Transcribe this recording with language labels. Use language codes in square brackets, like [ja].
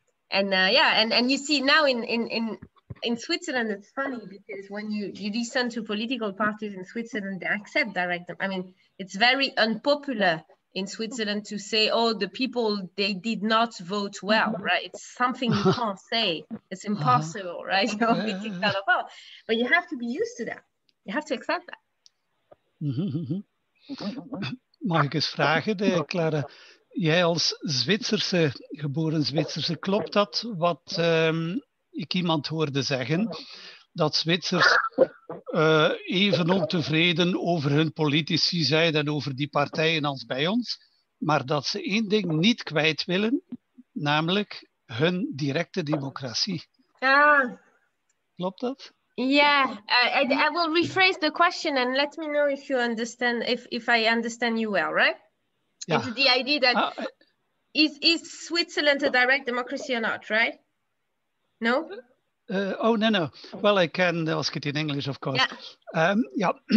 [en] And and you see now in Switzerland, it's funny because when you listen to political parties in Switzerland, they accept direct. I mean, it's very unpopular in Switzerland to say, oh, the people, they did not vote well, right? It's something you can't say. It's impossible, right? You know, yeah. Kicked out of power. But you have to be used to that. You have to accept that. [nl] Mag ik eens vragen, Clara? Jij als Zwitserse, geboren Zwitserse, klopt dat wat ik iemand hoorde zeggen? Dat Zwitsers even ontevreden over hun politici zijn en over die partijen als bij ons, maar dat ze één ding niet kwijt willen, namelijk hun directe democratie. Klopt dat? [en] Yeah, I will rephrase the question and let me know if you understand, if I understand you well, right? Yeah. It's the idea that is Switzerland a direct democracy or not, right? No? No. Well, I can ask it in English, of course. Yeah.